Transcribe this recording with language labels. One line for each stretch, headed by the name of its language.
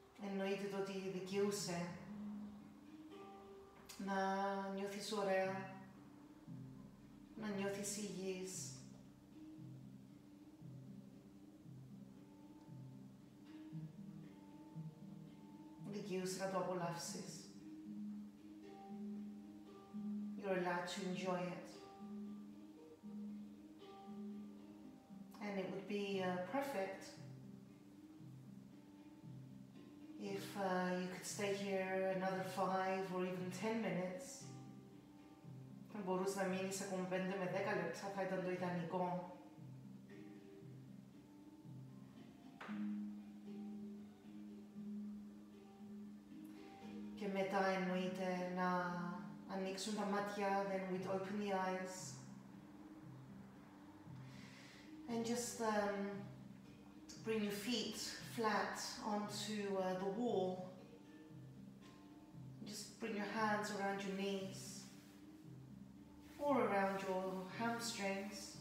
Greek: Εννοείται ότι δικαιούσε να νιώθεις ωραία, να νιώθεις υγιής. Δικαιούσε να το απολαύσεις.
English: You're allowed to enjoy it. And it would be perfect if you could stay here another 5 or even 10 minutes.
Greek: Θα μπορούσα να μείνεις ακόμα 5 με 10 λεπτά, θα ήταν το ιδανικό. Και μετά εννοείται να ανοίξουν τα μάτια,
English: then we'd open the eyes. And just bring your feet flat onto the wall. Just bring your hands around your knees or around your hamstrings.